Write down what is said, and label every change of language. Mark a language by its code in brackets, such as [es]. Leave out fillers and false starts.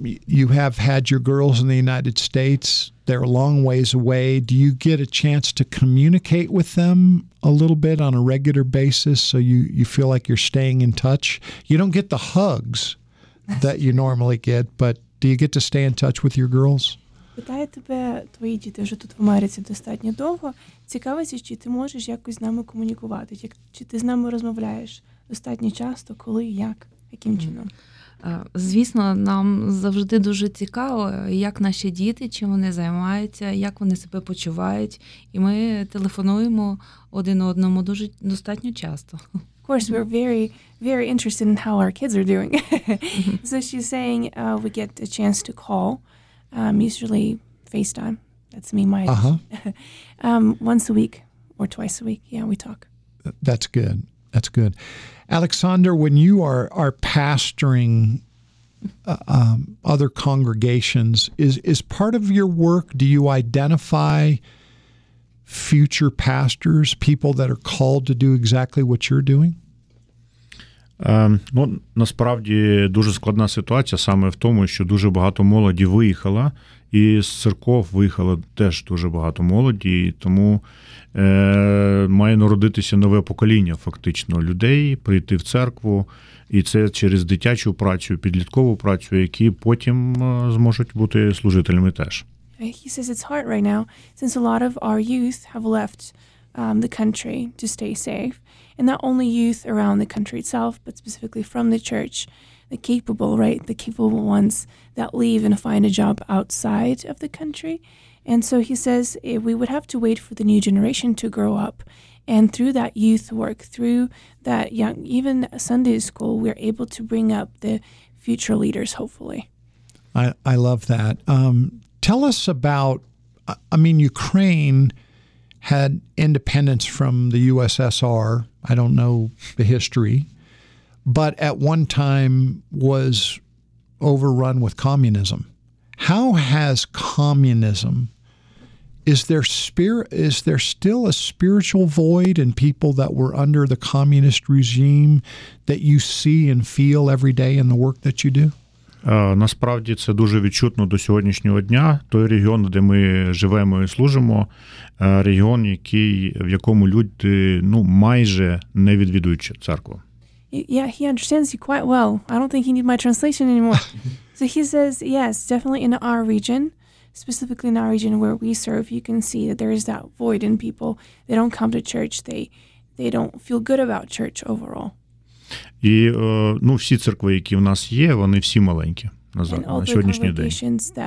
[en] You have had your girls in the United States. They're a long ways away. Do you get a chance to communicate with them a little bit on a regular basis so you feel like you're staying in touch? You don't get the hugs that you normally get, but do you get to stay in touch with your girls? [uk] Питаю тебе, твої діти вже тут в Америці достатньо довго. Цікавиться, чи ти можеш якось з нами комунікувати? Чи ти з нами розмовляєш достатньо часто, коли і як, яким чином? Звісно, нам завжди дуже цікаво, як наші діти, чим вони займаються, як вони себе почувають, і ми телефонуємо один одному дуже достатньо часто. [en] Of course, we're very, very interested in how our kids are doing. So she's saying we get a chance to call, usually FaceTime. That's me, my. Uh-huh. Once a week or twice a week, yeah, we talk. That's good. That's good. Alexander, when you are pastoring other congregations, is part of your work, do you identify future pastors, people that are called to do exactly what you're doing? [uk] Ну, насправді дуже складна ситуація саме в тому, що дуже багато молоді виїхала, і з церков виїхало теж дуже багато молоді, і тому має народитися нове покоління фактично людей, прийти в церкву, і це через дитячу працю, підліткову працю, які потім зможуть бути служителями теж. [en] He says it's hard right now, since a lot of our youth have left the country to stay safe. And not only youth around the country itself, but specifically from the church, the capable, right? The capable ones that leave and find a job outside of the country. And so he says we would have to wait for the new generation to grow up. And through that youth work, through that young, even Sunday school, we're able to bring up the future leaders, hopefully. I love that. Tell us about, I mean, Ukraine had independence from the USSR. I don't know the history, but at one time was overrun with communism. How has communism, is there still a spiritual void in people that were under the communist regime that you see and feel every day in the work that you do? [uk] Насправді це дуже відчутно до сьогоднішнього дня. Той регіон, де ми живемо і служимо, регіон, який, в якому люди, ну, майже не відвідують церкву. [en] Yeah, he understands you quite well. I don't think he needs my translation anymore. So he says, yes, definitely in our region, specifically in our region where we serve, you can see that there is that void in people. They don't come to church, they don't feel good about church overall. [uk] І, ну, всі церкви, які в нас є, вони всі маленькі на сьогоднішній день.